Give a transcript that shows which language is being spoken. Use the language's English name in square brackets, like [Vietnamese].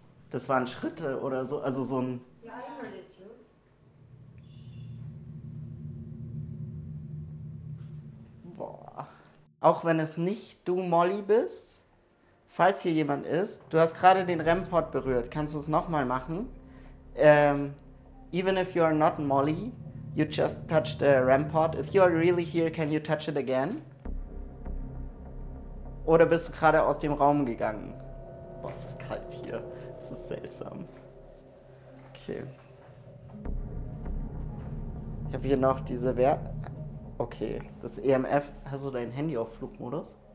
[German] Das waren Schritte oder so, also so ein... Auch wenn es nicht du, Molly, bist, falls hier jemand ist, du hast gerade den REM-Pod berührt, kannst du es nochmal machen? [English] Even if you are not Molly, you just touched the REM-Pod. If you are really here, can you touch it again? [German] Oder bist du gerade aus dem Raum gegangen? Boah, es ist kalt hier. Es ist seltsam. Okay. Ich habe hier noch diese Okay, das EMF. Hast du dein Handy auf Flugmodus?